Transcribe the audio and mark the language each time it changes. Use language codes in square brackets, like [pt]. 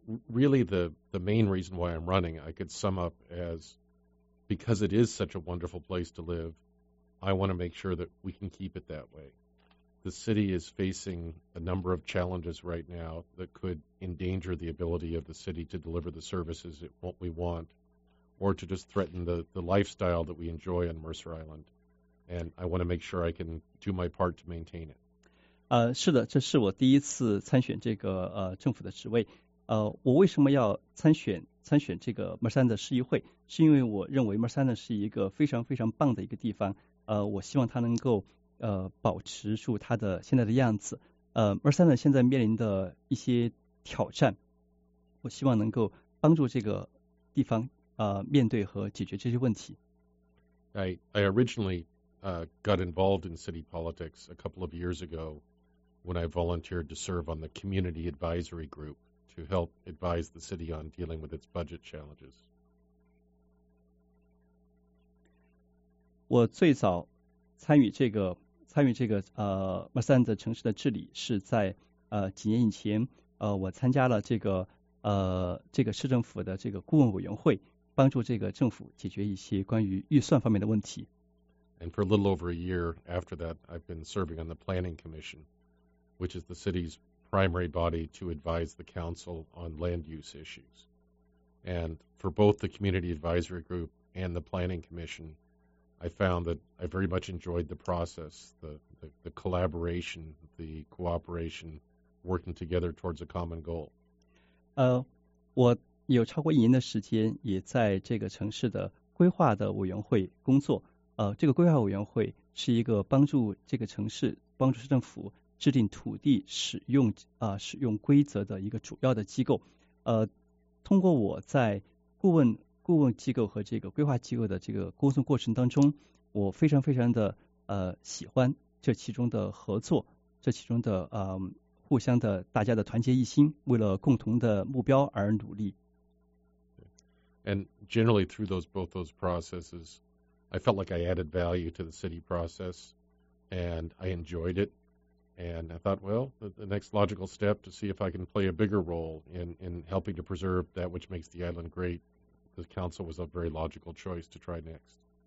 [en] Really, the main reason why I'm running, I could sum up as, because it is such a wonderful place to live, I want to make sure that we can keep it that way. the city is facing a number of challenges right now that could endanger the ability of the city to deliver the services it, what we want, or to just threaten the lifestyle that we enjoy on Mercer Island. And I want to make sure I can do my part to maintain it. [zh] 是的，这是我第一次参选这个政府的职位。我为什么要参选这个 Mercer Island 的市议会，是因为我认为 Mercer Island 是一个非常非常棒的一个地方。我希望它能够保持住它的现在的样子。 Mercer Island 现在面临的一些挑战，我希望能够帮助这个地方面对和解决这些问题。 [en] I originally got involved in city politics a couple of years ago when I volunteered to serve on the community advisory group to help advise the city on dealing with its budget challenges. [zh] 我最早参与这个Mercer的城市的治理是在几年以前，我参加了这个市政府的这个顾问委员会，帮助这个政府解决一些关于预算方面的问题。 [en] And for a little over a year after that, I've been serving on the Planning Commission, which is the city's primary body to advise the council on land use issues. And for both the Community Advisory Group and the Planning Commission, I found that I very much enjoyed the process, the collaboration, the cooperation, working together towards a common goal. [zh] 我有超过一年的时间也在这个城市的规划的委员会工作。这个规划委员会是一个帮助这个城市、帮助市政府制定土地使用规则的一个主要的机构。通过我在顾问机构和这个规划机构的这个沟通过程当中，我非常非常的喜欢这其中的合作，这其中的互相的大家的团结一心，为了共同的目标而努力。 [en] And generally through both those processes. I felt like I added value to the city process, and I enjoyed it. And I thought, well, the next logical step to see if I can play a bigger role in helping to preserve that which makes the island great, the council was a very logical choice to try next.